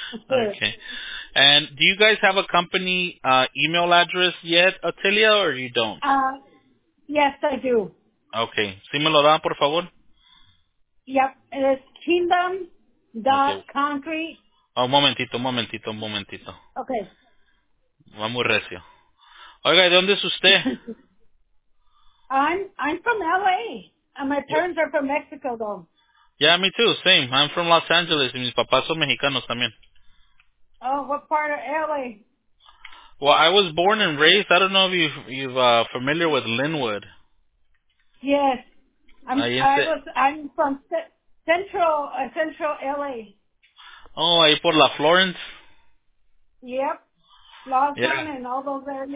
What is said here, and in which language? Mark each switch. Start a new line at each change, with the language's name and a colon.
English: okay. And do you guys have a company email address yet, Otilia, or you don't? Yes, I do.
Spanish: Okay, sí me lo da, por favor.
English: Yep, it's kingdom.concrete.
Spanish: Okay. Un momentito. Okay. Va muy recio. Oiga, ¿de dónde es usted?
English: I'm from L.A. And my parents are from Mexico, though. Yeah, me too. Same. I'm from Los Angeles.
Spanish: Y mis papás son mexicanos también.
English: Oh, what part of L.A.? Well, I was born and raised. I don't know if you're familiar with Linwood. Yes. I'm from central LA.
Spanish: Oh, ahí por la Florence.
English: Yep. Lawson yeah. and all those areas.